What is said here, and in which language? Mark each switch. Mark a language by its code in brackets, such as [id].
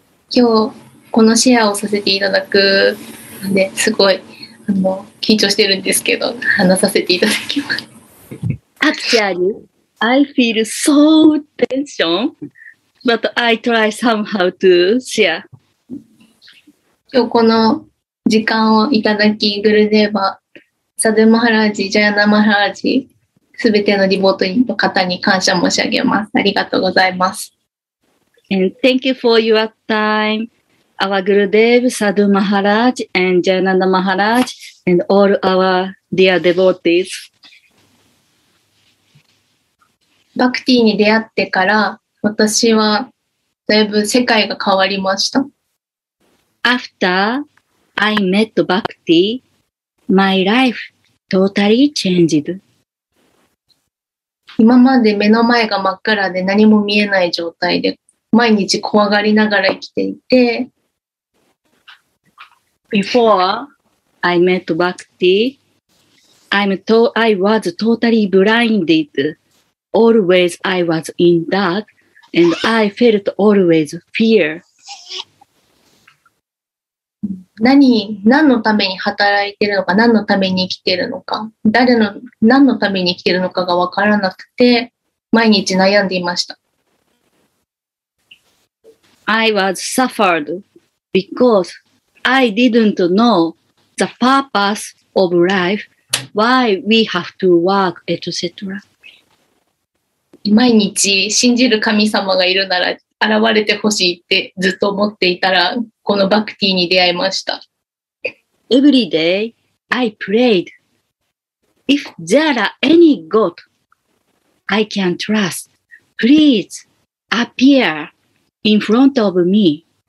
[ja] 今日このシェアをさせていただくのですごい緊張してるんですけど話させていただきます。 [en] アクチュアリー。 I feel so tension, but I try somehow to share. [ja] 今日この時間をいただき、グルデーバ、サドゥマハラージ、ジャヤナマハラージ、すべてのリモートの方に感謝申し上げます。ありがとうございます。 [en] And thank you for your time, our グルデーブ、サドゥマハラージ、and ジャヤナマハラージ、and all our dear devotees. [ja] バクティに出会ってから、私はだいぶ世界が変わりました。 [en] After I met Bhakti, my life totally changed. [ja] 今まで目の前が真っ暗で何も見えない状態で毎日怖がりながら生きていて。 [en] Before I met Bhakti, I was totally blinded. Always I was in dark and I felt always fear. [ja] 何のために働いてるのか、何のために生きてるのか、何のために生きてるのかが分からなくて、毎日悩んでいました。 [en] I was suffered because I didn't know the purpose of life, why we have to work, etc. [ja] 毎日信じる神様がいるなら、現れてほしいってずっと思っていたら、このバクティに出会いました。 [en] Every day, I prayed. If there are any God I can trust, please appear in front of me.